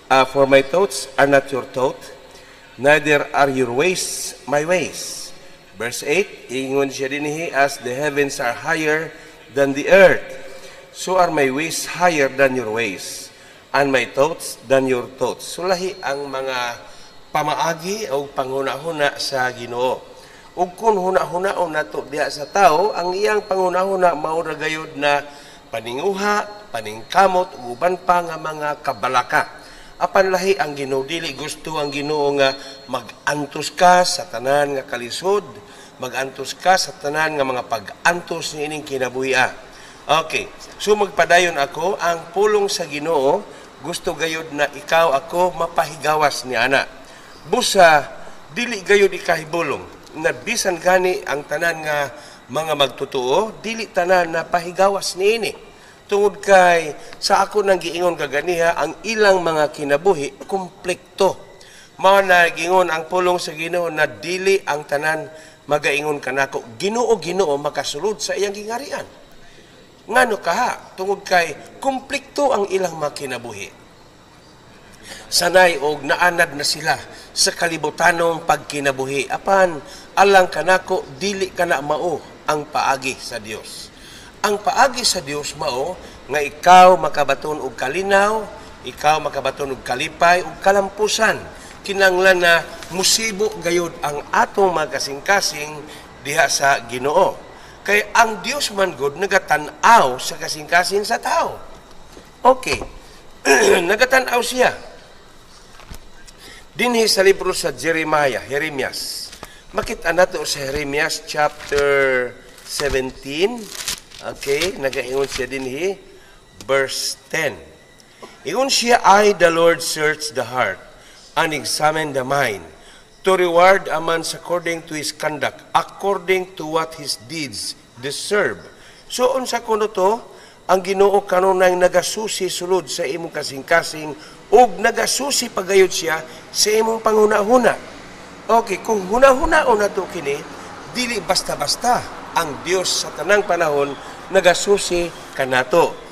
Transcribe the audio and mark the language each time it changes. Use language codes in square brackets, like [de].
[en] For my thoughts are not your thoughts, neither are your ways my ways. Verse 8, ingon siya din he, as the heavens are higher than the earth, so are my ways higher than your ways, and my thoughts than your thoughts. [ceb] So lahi ang mga pamaagi o panghunahuna sa Ginoo. Ug kun huna-huna o nato diha sa tao, ang iyang panghunahuna mao ra gayud na paninguha, paningkamot, uban pa nga mga kabalaka. Apan lahi ang Ginoo dili gusto ang Ginoo nga mag-antos ka sa tanan nga kalisod, mag-antos ka sa tanan nga mga pag-antos ni ining kinabuhia. Okay, so magpadayon ako ang pulong sa Ginoo, gusto gayud na ikaw ako mapahigawas ni ana. Busa dili gayud ikahibulong na bisan gani ang tanan nga mga magtutuo, dili tanan na pahigawas niini. Tungod kay sa ako nang giingon kaganiha, ang ilang mga kinabuhi, kumplikto. Mao na giingon ang pulong sa Ginoo na dili ang tanan magaingon kanako. Ginoo, Ginoo, makasulod sa iyang gingarian. Ngano ka ha? Tungod kay kumplikto ang ilang mga kinabuhi. Sanay og naanad na sila sa kalibutanong pagkinabuhi. Apan, alang kanako, dili kana mao ang paagi sa Dios. Ang paagi sa Dios mao nga ikaw makabaton og kalinaw, ikaw makabaton og kalipay og kalampusan. Kinanglan na musibo gayud ang atong mga kasing-kasing diha sa Ginoo. Kay ang Dios man gud nagatan-aw sa kasing-kasing sa tao. Okay. Nagatan-aw siya. Dinhi sa libro sa Jeremiah. Makita nato sa Jeremiah chapter 17. Okay, nagaingon siya dinhi verse 10. [en] Ingon siya, I the Lord search the heart and examine the mind to reward a man according to his conduct, according to what his deeds deserve. [ceb] So unsa kuno to? Ang Ginoo kanunay nagasusi sulod sa imong kasing-kasing ug nagasusi pagayod siya sa imong panghunahuna. Okay, kung hunahuna o nato kini, dili basta-basta ang Dios sa tanang panahon nagasusi kanato.